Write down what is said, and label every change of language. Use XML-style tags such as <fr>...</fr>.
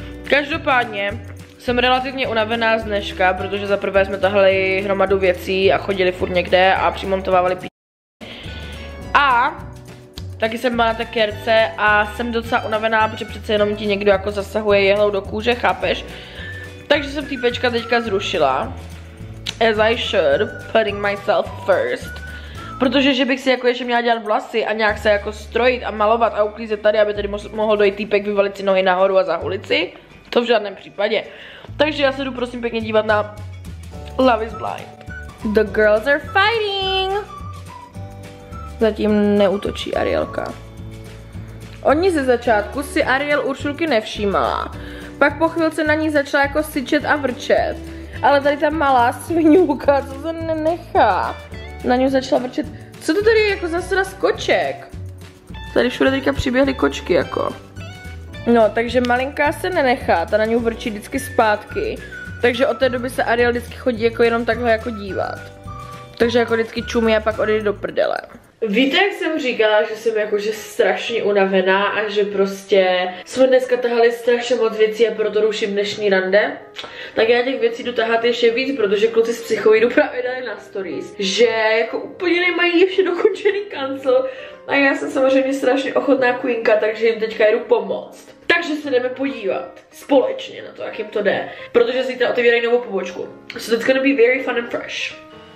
<cs>Každopádně jsem relativně unavená z dneška, protože zaprvé jsme tahli hromadu věcí a chodili furt někde a přimontovávali p***y. A taky jsem byla na té kérce a jsem docela unavená, protože přece jenom ti někdo jako zasahuje jehlou do kůže, chápeš? Takže jsem týpečka teďka zrušila.</cs> <en>As I should, putting myself first.</en> <cs>Protože že bych si jako ještě měla dělat vlasy a nějak se jako strojit a malovat a uklízet tady, aby tady mohl dojít týpek vyvalit si nohy nahoru a za ulici. To v žádném případě. Takže já se jdu prosím pěkně dívat na Love is Blind.</cs> <en>The girls are fighting!</en> <cs>Zatím neútočí Arielka. Oni ze začátku si Ariel Uršulky nevšímala. Pak po chvilce na ní začala jako syčet a vrčet. Ale tady ta malá svinůka, co se nenechá. Na ní začala vrčet. Co to tady je jako zase raz koček? Tady všude teďka přiběhly kočky jako. No, takže malinká se nenechá, ta na ní vrčí vždycky zpátky. Takže od té doby se Ariel vždycky chodí jako jenom takhle jako dívat. Takže jako vždycky čumí a pak odejde do prdele. Víte, jak jsem říkala, že jsem jakože strašně unavená a že prostě jsme dneska tahali strašně moc věcí a proto ruším dnešní rande? Tak já těch věcí jdu tahat ještě víc, protože kluci z psychovídu právě dali na stories, že jako úplně nemají ještě dokončený kancel a já jsem samozřejmě strašně ochotná queenka, takže jim teďka jdu pomoct. Takže se jdeme podívat společně na to, jak jim to jde, protože zítra otevírají novou pobočku.</cs> <en>So it's gonna be very fun and fresh.</en>